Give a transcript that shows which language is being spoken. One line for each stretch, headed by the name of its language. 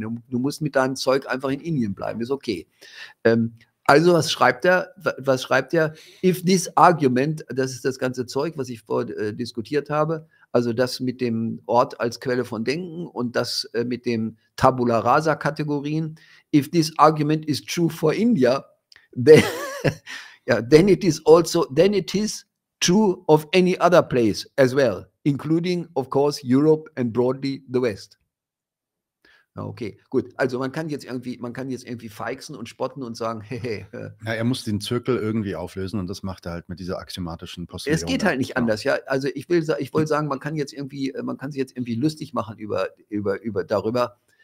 German: Du musst mit deinem Zeug einfach in Indien bleiben, ist okay. Also was schreibt er?
English: If this argument,
German: das ist das ganze Zeug, was ich vorher diskutiert habe, Also das mit dem Ort als Quelle von Denken und das mit dem Tabula Rasa Kategorien.
English: If this argument is true for India, then, yeah, then it is also, then it is true of any other place as well, including of course Europe and broadly the West.
German: Okay, gut. Also man kann jetzt irgendwie feixen und spotten und sagen, hey. Ja, er muss den Zirkel irgendwie auflösen und das macht er halt mit dieser axiomatischen Postulierung. Es geht halt nicht anders, ja. Also ich wollte sagen, man kann sich jetzt irgendwie lustig machen über darüber.